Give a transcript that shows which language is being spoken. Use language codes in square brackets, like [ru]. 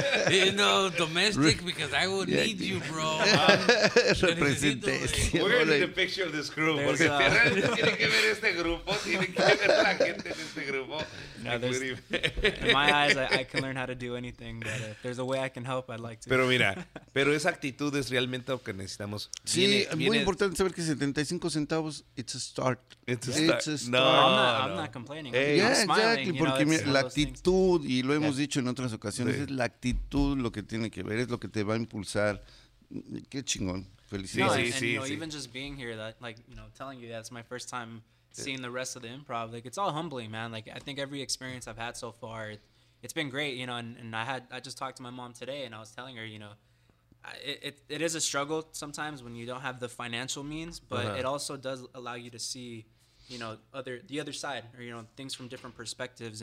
[en] You know, domestic, because I would yeah, need you, bro. [es] Represente. [en] We're going to need a picture of this group. [es] Porque Ferran tiene que ver este grupo. Tiene que ver la gente en este grupo. [en] In my eyes, I can learn how to do anything, but if there's a way I can help, I'd like to. [es] Pero mira, pero esa actitud es realmente lo que necesitamos. Sí, muy importante saber que 75 centavos, [en] it's a start. I'm not complaining. Hey. Yeah, I'm smiling, exactly, porque you know, [es] mira, la actitud, y lo hemos yeah. dicho en otras ocasiones, sí. es la actitud lo que tiene que ver, es lo que te va a impulsar. Qué chingón. Felicidades. [en] No, and, you know, even just being here, that, like, you know, telling you that it's my first time seeing the rest of the improv, like, it's all humbling, man. Like, I think every experience I've had so far, it's been great, you know. And I just talked to my mom today, and I was telling her, you know, it is a struggle sometimes when you don't have the financial means, but uh-huh. it also does allow you to see, you know, the other side, or, you know, things from different perspectives.